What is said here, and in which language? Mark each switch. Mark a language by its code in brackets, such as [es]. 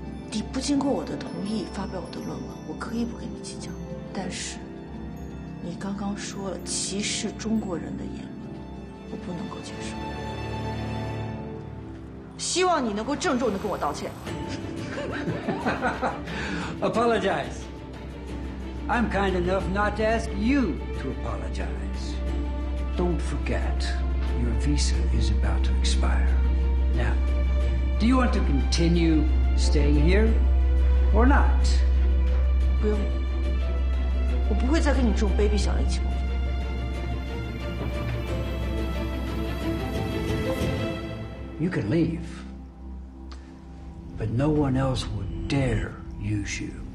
[zh] 你不经过我的同意发表我的论文，我可以不跟你计较，但是。你刚刚说了歧视中国人的言论，我不能够接受。希望你能够郑重地跟我道歉。 [en] Apologize. I'm kind enough not to ask you to apologize. Don't forget, your visa is about to expire. Now, do you want to continue staying here or not? [zh] 不用。我不会再跟你这种卑鄙小人一起工作。 [en] You can leave, but no one else would dare use you.